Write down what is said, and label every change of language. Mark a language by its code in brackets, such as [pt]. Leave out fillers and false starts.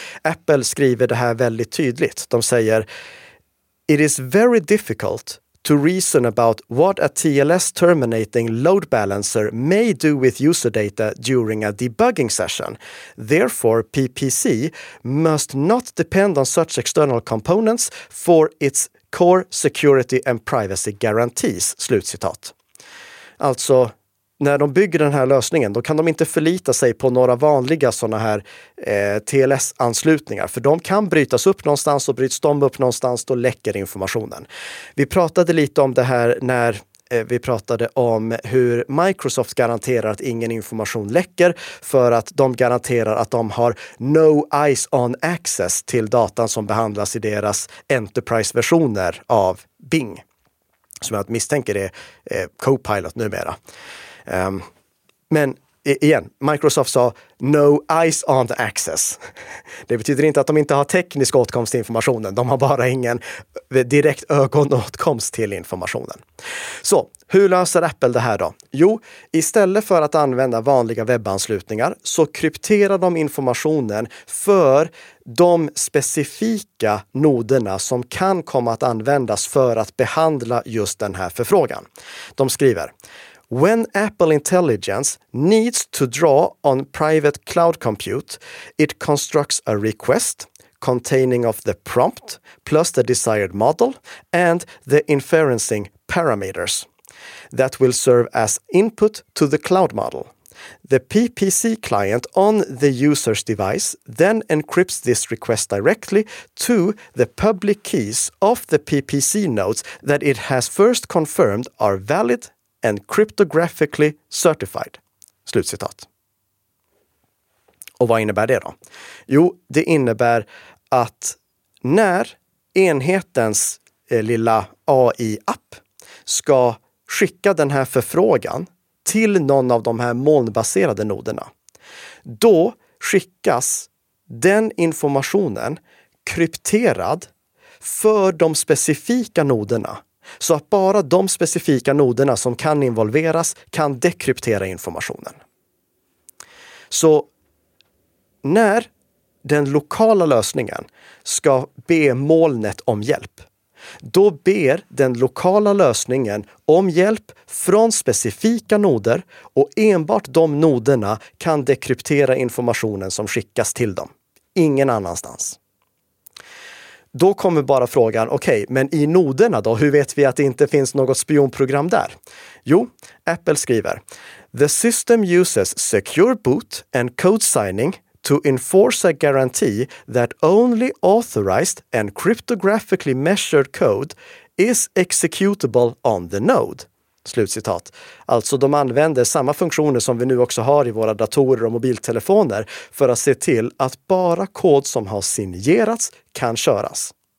[sv] Apple skriver det här väldigt tydligt. De säger, [en] "It is very difficult to reason about what a TLS terminating load balancer may do with user data during a debugging session. Therefore, PPC must not depend on such external components for its core security and privacy guarantees." [sv] Slutcitat. Alltså, när de bygger den här lösningen, då kan de inte förlita sig på några vanliga sådana här TLS-anslutningar. För de kan brytas upp någonstans, och bryts de upp någonstans, då läcker informationen. Vi pratade lite om det här när vi pratade om hur Microsoft garanterar att ingen information läcker, för att de garanterar att de har [en] no eyes on access [sv] till datan som behandlas i deras enterprise-versioner av Bing. Som jag misstänker är Copilot numera. Men igen, Microsoft sa [en] no eyes on the access. [sv] Det betyder inte att de inte har teknisk åtkomst till informationen. De har bara ingen direkt ögonåtkomst till informationen. Så, hur löser Apple det här då? Jo, istället för att använda vanliga webbanslutningar så krypterar de informationen för de specifika noderna som kan komma att användas för att behandla just den här förfrågan. De skriver: [en] When Apple Intelligence needs to draw on private cloud compute, it constructs a request containing of the prompt plus the desired model and the inferencing parameters that will serve as input to the cloud model. The PPC client on the user's device then encrypts this request directly to the public keys of the PPC nodes that it has first confirmed are valid and cryptographically certified. [sv] Slutcitat. Och vad innebär det då? Jo, det innebär att när enhetens lilla AI-app ska skicka den här förfrågan till någon av de här molnbaserade noderna, då skickas den informationen krypterad för de specifika noderna. Så att bara de specifika noderna som kan involveras kan dekryptera informationen. Så när den lokala lösningen ska be molnet om hjälp, då ber den lokala lösningen om hjälp från specifika noder, och enbart de noderna kan dekryptera informationen som skickas till dem. Ingen annanstans. Då kommer bara frågan, okej, men i noderna då, hur vet vi att det inte finns något spionprogram där? Jo, Apple skriver: [en] The system uses secure boot and code signing to enforce a guarantee that only authorized and cryptographically measured code is executable on the node. [sv] Slutcitat. Alltså de använder samma funktioner som vi nu också har i våra datorer och mobiltelefoner för att se till att bara kod som har signerats kan köras.